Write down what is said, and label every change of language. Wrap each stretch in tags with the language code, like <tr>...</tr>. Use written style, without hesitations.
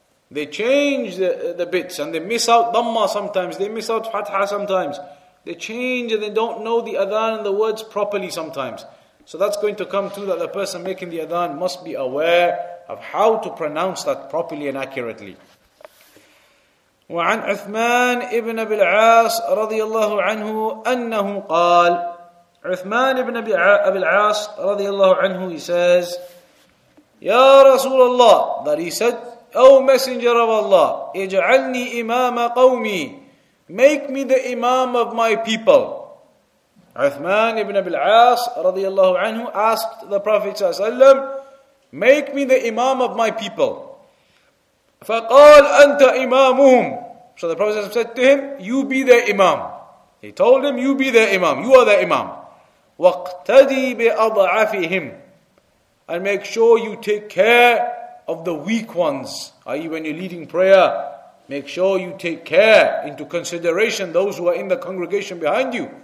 <en>They change the bits and they miss out dhamma sometimes. They miss out fatha sometimes. They change and they don't know the adhan and the words properly sometimes. So that's going to come too, that the person making the adhan must be aware of how to pronounce that properly and accurately.</en> <ar>وعن عثمان ابن أبي العاص رضي الله عنه أنه قال عثمان ابن أبي العاص رضي الله عنه</ar> <en>he says</en> <ar>يا رسول الله</ar> <en>that he said O messenger of Allah</en> <ar>اجعلني إمام قومي</ar> <en>make me the imam of my people عثمان ابن أبي العاص رضي الله عنه asked the Prophet صلى الله عليه وسلم make me the imam of my people</en> <ar>فقال أنت إمامهم</ar> <en>So the Prophet said to him, you be their imam. He told him, you be their imam. You are their imam.</en> <ar>وَاقْتَدِي بِأَضْعَفِهِمْ</ar> <en>And make sure you take care of the weak ones. I.e. when you're leading prayer, make sure you take care into consideration those who are in the congregation behind you.</en>